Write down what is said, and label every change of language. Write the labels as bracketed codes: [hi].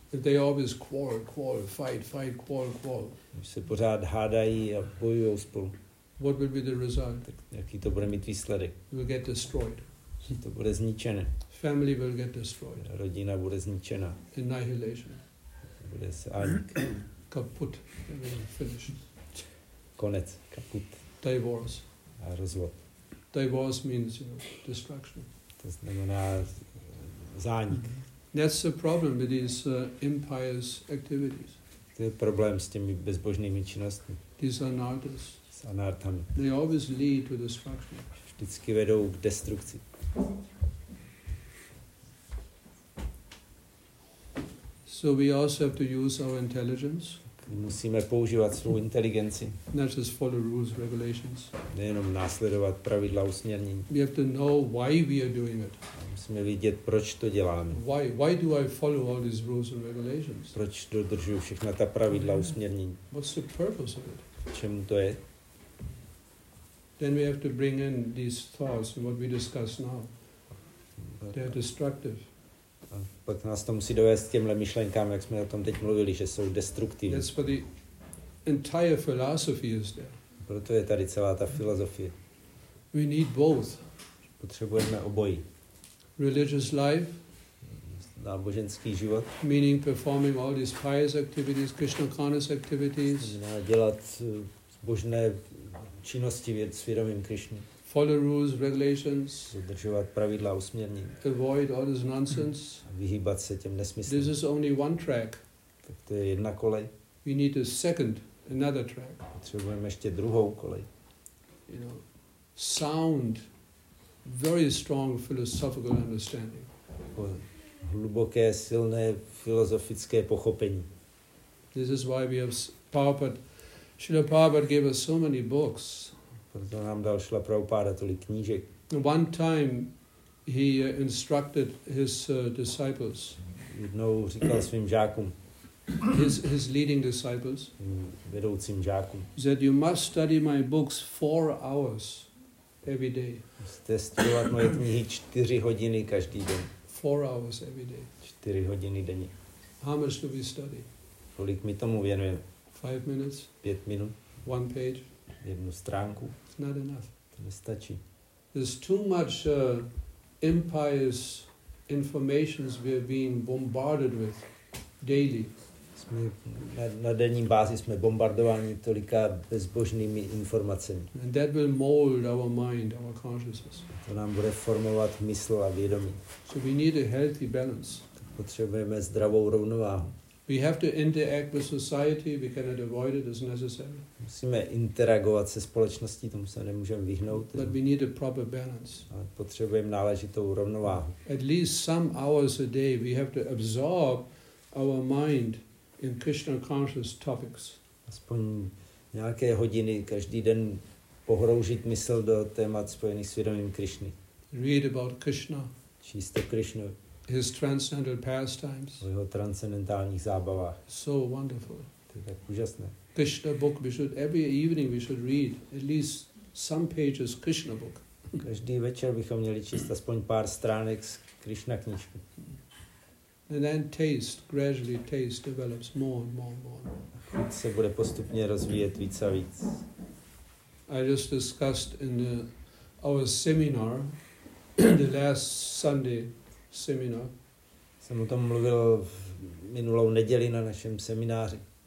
[en] If they always quarrel, quarrel, fight, fight, quarrel, quarrel. [cs] Když se pořád hádají a bojují spolu. [en] What will be the result? [cs] Jaký to bude mít výsledek? [en] It will get destroyed. [cs] To bude zničené. [en] Family will get destroyed. [cs] Rodina bude zničena. [en] Annihilation. [cs] Bude se anik. [en] Kaput. Finish. [cs] Konec. Kaput. [en] Divorce. [cs] A rozvod. [en] Divorce means, you know, destruction. [cs] To znamená zánik. [en] That's the problem with these impious activities. [cs] To je problém s těmi bezbožnými činnostmi. [en] These anarthas. [cs] S anarthami. [en] They always lead to destruction. [cs] Vždycky vedou k destrukci. [en] So we also have to use our intelligence. [cs] Musíme používat svou inteligenci. [en] Not just follow rules, regulations. [cs] Nejenom následovat pravidla, usměrnění. [en] We have to know why we are doing it. [cs] Musíme vědět, proč to děláme. [en] Why do I follow all these rules and regulations? [cs] Proč dodržuji všechna ta pravidla, usměrnění? [en] What's the purpose of it? [cs] Čemu to je? [en] Then we have to bring in these thoughts and what we discuss now. They are destructive. [cs] A pak nás to musí dovést těmhle myšlenkám, jak jsme o tom teď mluvili, že jsou destruktivní. [en] That's what the entire philosophy is there. [cs] Proto je tady celá ta filozofie. [en] We need both. [cs] Potřebujeme obojí. [en] Religious life. [cs] Náboženský život. [en] Meaning performing all these pious activities, Krishna conscious activities. [cs] Znamená dělat božné činnosti věd svědomím Krišny. [en] Follow rules, regulations. [cs] Dodržovat pravidla, usměrnění. [en] Avoid all this nonsense. [cs] Vyhýbat se těm nesmyslům. [en] This is only one track. [cs] Tak to je jedna kolej. [en] We need a second, another track. [cs] Potřebujeme ještě druhou kolej. [en] You know, sound, very strong philosophical understanding. [cs] Hluboké, silné filozofické pochopení. [en] This is why we have Prabhupada. Srila Prabhupada gave us so many books. [cs] Proto nám dal Srila Prabhupada tolik knížek. [en] One time he instructed his disciples. [cs] Jednou říkal svým žákům. [en] His leading disciples. [cs] Vedoucím žákům. [en] Said you must study my books 4 hours every day. [cs] Musíte studovat moje knihy 4 hodiny každý den. [en] 4 hours every day. [cs] 4 hodiny denně. [en] How much do we study? [cs] Kolik mi tomu věnujeme? [en] 5 minutes. [cs] 5 minut. [en] One page. [cs] Jednu stránku. [en] It's not enough. [cs] To nestačí. [en] There's too much impious informations we are being bombarded with daily. [cs] Na denní bázi jsme bombardováni tolika bezbožnými informacemi. [en] And that will mold our mind, our consciousness. [cs] To nám bude formovat mysl a vědomí. [en] So we need a healthy balance. [cs] Potřebujeme zdravou rovnováhu. [en] We have to interact with society, we cannot avoid it as necessary. [cs] Musíme interagovat se společností, tomu se nemůžeme vyhnout. [en] But we need a proper balance. [cs] Ale potřebujeme náležitou rovnováhu. [en] At least some hours a day we have to absorb our mind in Krishna conscious topics. [cs] Aspoň nějaké hodiny každý den pohroužit mysl do témat spojených s vědomím Krišny. [en] Read about Krishna. [cs] Číst o Krišnu. [en] His transcendental pastimes. [cs] O jeho transcendentálních zábavách. [en] So wonderful. [cs] To je tak úžasné. [en] Krishna book, we should, every evening we should read at least some pages Krishna book. [cs] Každý večer bychom měli číst aspoň pár stránek z Krishna knížky. [en] And then taste, gradually taste develops more and more and more. [cs] Chuť se bude postupně rozvíjet víc a víc. [en] I just discussed in our seminar the last Sunday seminar. [cs] Jsem o tom mluvil v minulou neděli na našem semináři.